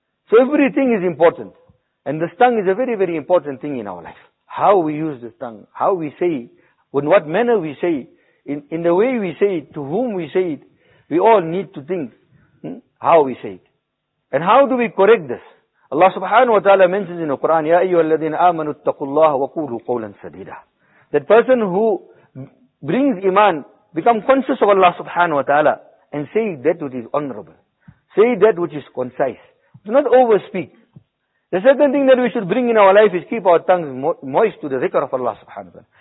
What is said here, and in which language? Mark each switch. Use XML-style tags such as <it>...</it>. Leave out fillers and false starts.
<en>So everything is important. And this tongue is a very, very important thing in our life. How we use this tongue, how we say it, in what manner we say it, in the way we say it, to whom we say it, we all need to think how we say it. And how do we correct this?</en> <ar>Allah subhanahu wa ta'ala</ar> <en>mentions in the Quran,</en> <ar>يَا أَيُّهَا الَّذِينَ آمَنُوا اتَّقُوا اللَّهَ وَقُولُوا قَوْلًا سَدِيدًا.</ar> <en>That person who brings iman, become conscious of Allah subhanahu wa ta'ala, and say that which is honorable. Say that which is concise. Do not overspeak. The second thing that we should bring in our life is keep our tongues moist to the dhikr of Allah subhanahu wa ta'ala.</en>